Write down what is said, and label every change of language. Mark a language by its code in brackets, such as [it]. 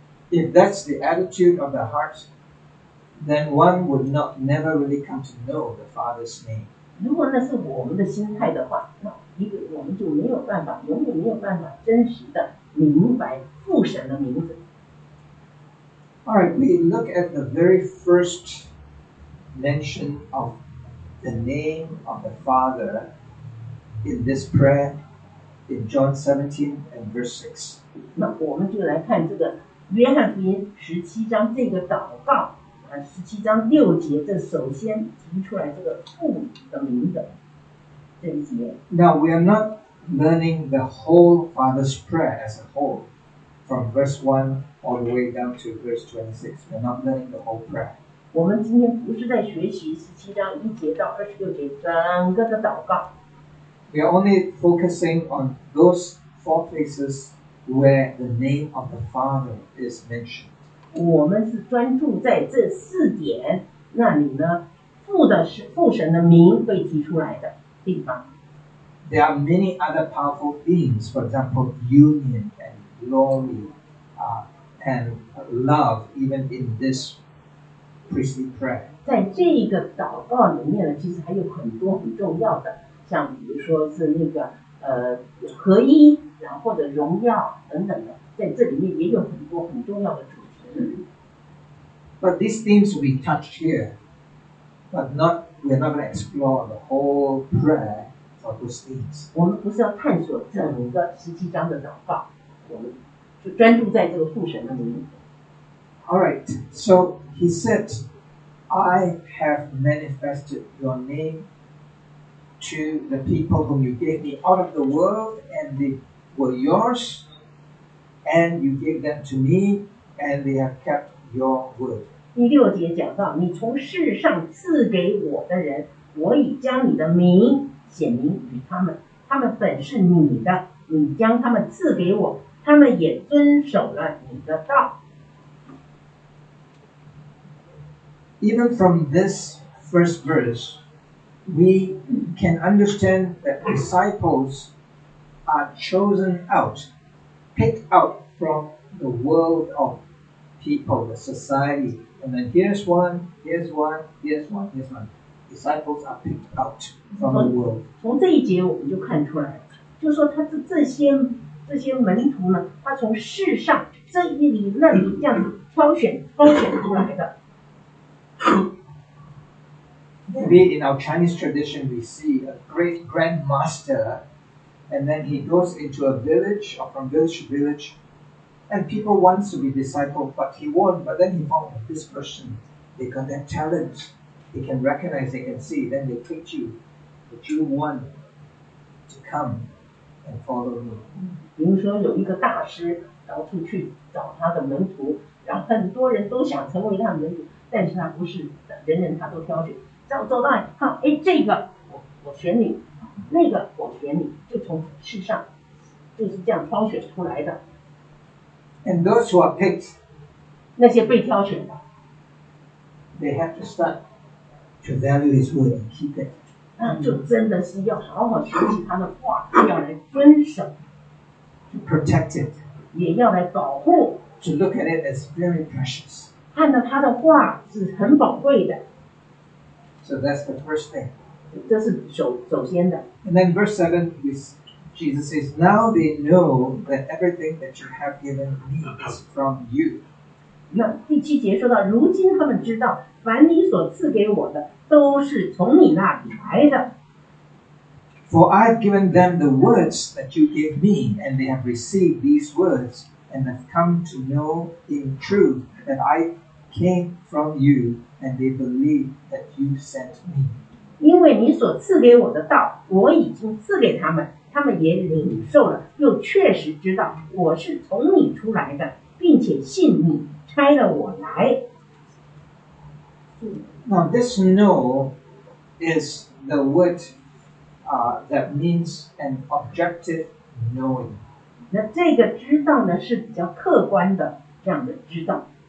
[en] If that's the attitude of the heart, then one would not never really come to know the Father's name. [zh] 如果那是我们的心态的话，那一个我们就没有办法，永远没有办法真实的明白父神的名字。 [en] Alright, we look at the very first mention of the name of the Father in this prayer in John 17 and verse 6. [zh] 那我们就来看这个约翰福音十七章这个祷告啊，十七章六节，这首先提出来这个父的名字这一节。 [en] Now we are not learning the whole Father's Prayer as a whole from verse 1 all the way down to verse 26. We're not learning the whole prayer. [zh] 我们今天不是在学习十七章一节到二十六节整个的祷告。 [en] We are only focusing on those four places. Where the name of the Father is mentioned. [zh] 我们是专注在这四点，那里呢，父神的名被提出来的地方。 [en] There are many other powerful themes, for example, union and glory, and love, even in this priestly prayer. [zh] 在这个祷告里面呢，其实还有很多很重要的，像比如说是那个合一。然后的荣耀等等的，在这里面也有很多很重要的主题。 [en] But these themes we touched here, but not we are not going to explore the whole prayer for those themes. [zh] 我们不是要探索整个十七章的祷告，我们就专注在这个父神的名。 [en] All right, so he said, "I have manifested your name to the people whom you gave me out of the world, and they." Were yours, and you gave them to me, and they have kept your word. [zh] 第六节讲到，你从世上赐给我的人，我已将你的名显明与他们，他们本是你的，你将他们赐给我，他们也遵守了你的道。 [en] Even from this first verse, we can understand that disciples. Are chosen out, picked out from the world of people, the society. And then here's one, here's one, here's one, here's one. Disciples are picked out from the world. [zh] 从这一节我们就看出来，就是说他这些门徒呢，他从世上这一里那里这样子挑选出来的。 [en] Maybe in our Chinese tradition, we see a great grandmaster. And then he goes into a village, or from village to village, and people want to be discipled, but he won't. But then he found that this person, they got that talent, they can recognize, they can see, then they treat you, that you want to come and follow me. [zh] 比如说有一个大师到处去找他的门徒，然后很多人都想成为他的门徒，但是他不是人人他都挑选，走到看，哎，这个我选你。那个我选你就从世上就是这样挑选出来的 [en] And those who are picked [zh] 那些被挑选的 [en] They have to start to value his word and keep it [zh] 那就真的是要好好学习他的话要来遵守 [en] To protect it [zh] 也要来保护 [en] To look at it as very precious [zh] 看到他的话是很宝贵的 [en] So that's the first thing [zh] 这是首先的。 [en] And then verse 7, Jesus says, Now they know that everything that you have given me is from you. [zh] 那第七节说到，如今他们知道，凡你所赐给我的，都是从你那里来的。 [en] For I have given them the words that you gave me, and they have received these words, and have come to know in truth that I came from you, and they believe that you sent me. [zh] 因为你所赐给我的道，我已经赐给他们，他们也领受了，又确实知道我是从你出来的，并且信你差了我来。 [en] Now this know is the word that means an objective knowing. [zh] 那这个知道呢是比较客观的这样的知道。